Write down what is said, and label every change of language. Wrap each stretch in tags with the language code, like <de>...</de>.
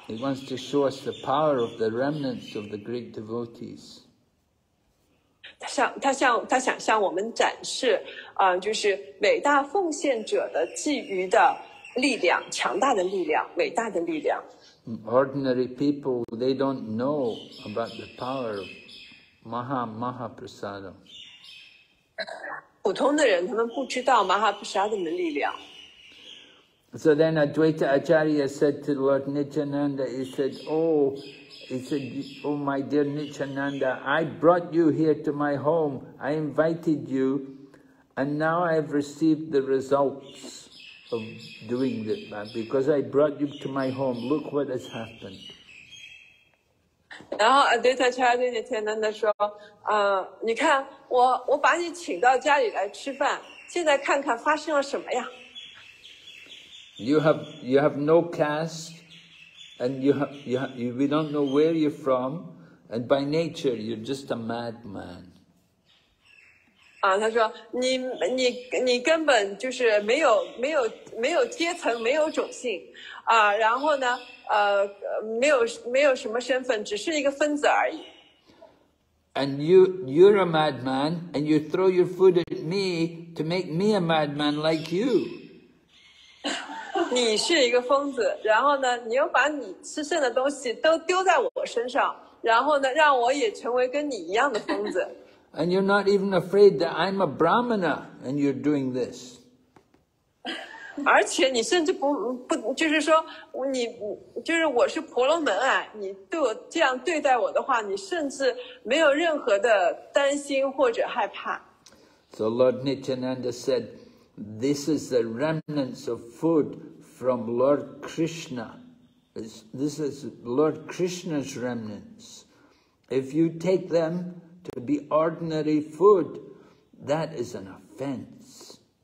<en>He wants to show us the power of the remnants of the great devotees。</en> <zh>他想向我们展示就是伟大奉献者的觊觎的力量强大的力量伟大的力量</zh> <en>Ordinary people, they don't know about the power of Mahaprasadam</en> <zh>普通的人他们不知道 Mahaprasadam 的力量</zh> <en>So then Advaita Acharya said to Lord Nityananda, he said, oh my dear Nityananda, I brought you here to my home. I invited you, and now I have received the results of doing that. Because I brought you to my home, look what has happened.</en> <zh>然后Advaita Acharya对Nityananda说，你看我把你请到家里来吃饭，现在看看发生了什么呀？</zh> <en>You have no caste. And we don't know where you're from, and by nature you're just a madman.</en> <zh>他说你根本就是没有阶层，没有种姓，然后呢，没有什么身份，只是一个疯子而已。</zh> <en>And you're a madman, and you throw your food at me to make me a madman like you.</en> <zh>你是一个疯子，然后呢，你又把你吃剩的东西都丢在我身上，然后呢，让我也成为跟你一样的疯子。</zh> <en>And you're not even afraid that I'm a brahmana, and you're doing this.</en> <zh>而且你甚至不就是说你就是我是婆罗门啊，你对我这样对待我的话，你甚至没有任何的担心或者害怕。</zh> <en>So Lord Nityananda said. This is the remnants of food from Lord Krishna. This is Lord Krishna's remnants. If you take them to be ordinary food, that is an offense.</en>